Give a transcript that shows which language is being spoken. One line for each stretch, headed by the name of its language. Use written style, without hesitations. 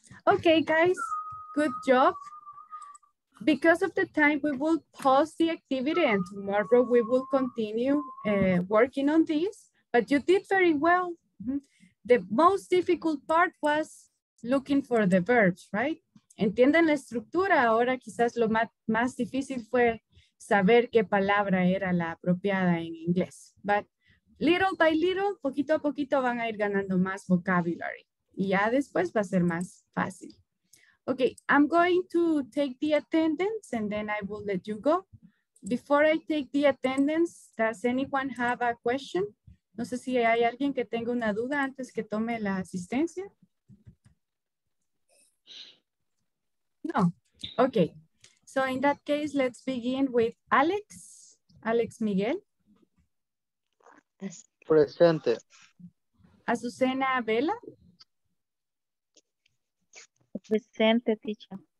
English: Okay guys, good job. Because of the time, we will pause the activity and tomorrow we will continue working on this, but you did very well. The most difficult part was looking for the verbs, right?
Spanish: Entienden la estructura, ahora quizás lo más difícil fue saber qué palabra era la apropiada en inglés.
English: But little by little,
Spanish: poquito a poquito van a ir ganando más vocabulary. Y ya después va a ser más fácil.
English: Okay, I'm going to take the attendance and then I will let you go. Before I take the attendance, does anyone have a question?
Spanish: No sé si hay alguien que tenga una duda antes que tome la asistencia. No. Okay.
English: So in that case, let's begin with Alex. Alex Miguel.
Spanish: Presente. Azucena Vela. Presente, teacher.